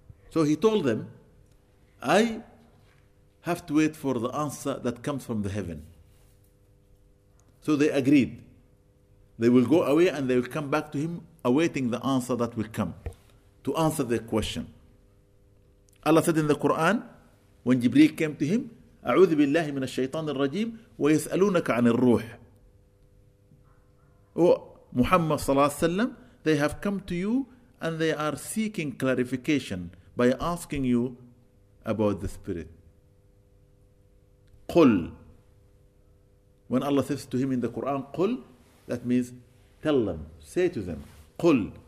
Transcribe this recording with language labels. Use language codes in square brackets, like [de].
[en] So he told them, I have to wait for the answer that comes from the heaven. So they agreed. They will go away and they will come back to him awaiting the answer that will come to answer their question. Allah said in the Quran, when Jibreel came to him, [ar] أعوذ بالله من الشيطان الرجيم ويسألونك عن الروح. [en] Muhammad صلى الله عليه وسلم, they have come to you and they are seeking clarification by asking you about the spirit. [ar] قل. [en] When Allah says to him in the Quran, قل, that means tell them, say to them, قل.